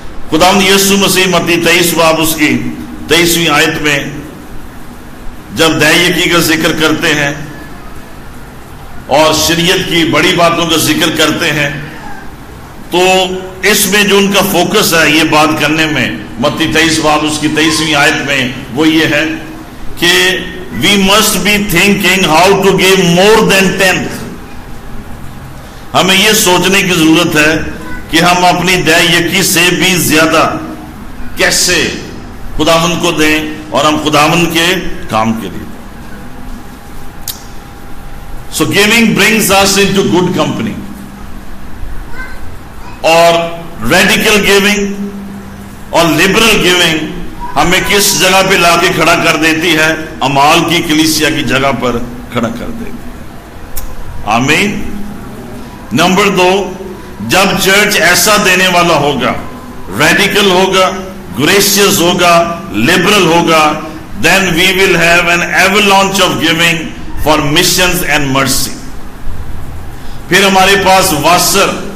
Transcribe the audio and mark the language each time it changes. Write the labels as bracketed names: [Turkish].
[Hindi] खुदावंद यीशु मसीह मत्ती 23 बाब उसकी 23वीं आयत में जब दैयिकी का जिक्र करते हैं और शरीयत की बड़ी बातों का जिक्र करते हैं तो इसमें जो उनका फोकस है ये बात करने में मत्ती 23 बाब उसकी 23वीं आयत में वो ये है कि [English] We must be thinking how to give more than 10th. [Hindi] हमें यह सोचने की जरूरत है कि हम अपनी दैयकी से भी ज्यादा कैसे खुदावंद को दें और हम खुदावंद के काम के लिए. [English] So giving brings us into good company. [Hindi] और radical giving और liberal giving हमें किस जगह पे लाके खड़ा कर देती है, अमाल की कलीसिया की जगह पर खड़ा कर देती है. आमीन. नंबर 2, जब चर्च ऐसा देने वाला होगा, रेडिकल होगा, ग्रेशियस होगा, लिबरल होगा, [English] Then we will have an avalanche of giving for missions and mercy. [Hindi] फिर हमारे पास वासर